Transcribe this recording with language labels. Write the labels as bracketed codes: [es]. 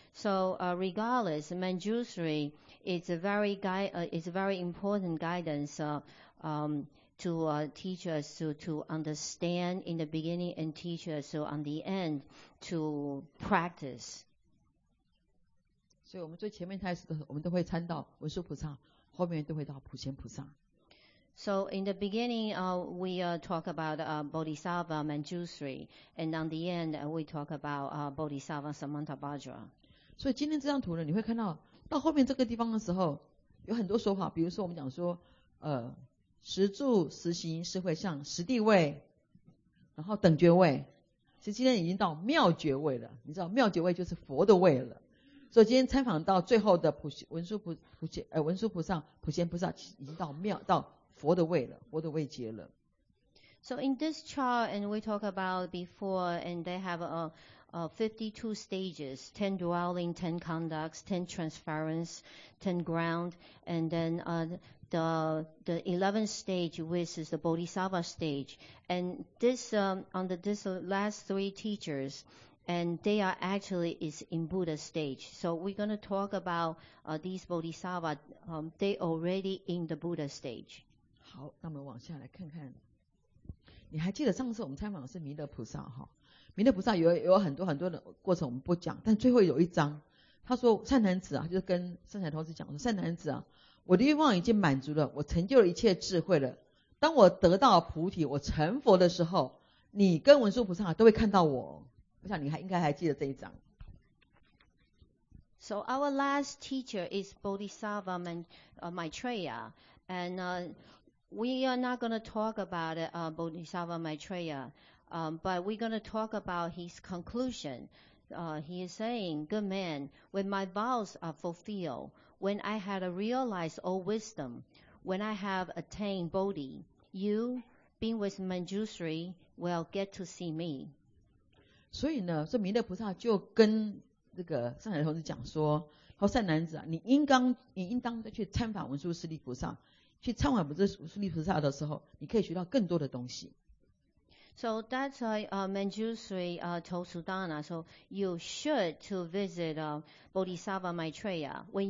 [en] So regardless, Manjusri is very important guidance. To teach us to understand in the beginning and teach us on the end to practice. [zh] 所以我们最前面开始的我们都会参到文殊菩萨，后面都会到普贤菩萨。 [en] So in the beginning, we talk about Bodhisattva Manjusri, and on the end, we talk about Bodhisattva Samantabhadra. [zh] 所以今天这张图呢，你会看到到后面这个地方的时候，有很多说法，比如说我们讲说，十住十行十会向十地位，然后等觉位，其实今天已经到妙觉位了。你知道妙觉位就是佛的位了，所以今天参访到最后的文殊菩萨、普贤菩萨，已经到妙到佛的位了，佛的位阶了。 [en] So in this chart, and we talk about before, and they have a 52 stages, 10 dwelling, 10 conducts, 10 transference, 10 ground, and then the 11th stage, which is the Bodhisattva stage. And this, under this last three teachers, and they are actually is in Buddha stage. So we're going to talk about these Bodhisattva, they already in the Buddha stage. [zh] 好，那么往下来看看。你还记得上次我们参访的是弥勒菩萨哈？弥勒菩萨 有很多很多的过程我们不讲，但最后有一章，他说善男子啊，就是跟善财童子讲说，善男子啊，我的愿望已经满足了，我成就了一切智慧了。当我得到菩提，我成佛的时候，你跟文殊菩萨都会看到我。我想你还应该还记得这一章。 [en] So our last teacher is Bodhisattva Maitreya, and We are not going to talk about Bodhisattva Maitreya, but we're going to talk about his conclusion. He is saying, good man, when my vows are fulfilled, when I had realized all wisdom, when I have attained Bodhi, you, being with Manjushri, will get to see me. [zh] 所以呢，这弥勒菩萨就跟这个善男童子讲说，说善男子啊，你应当再去参访文殊师利菩萨。去参访不是文殊利菩萨的时候，你可以学到更多的东西。 [en] So that's why Manjushri told Sudana, so you should to visit Bodhisattva Maitreya.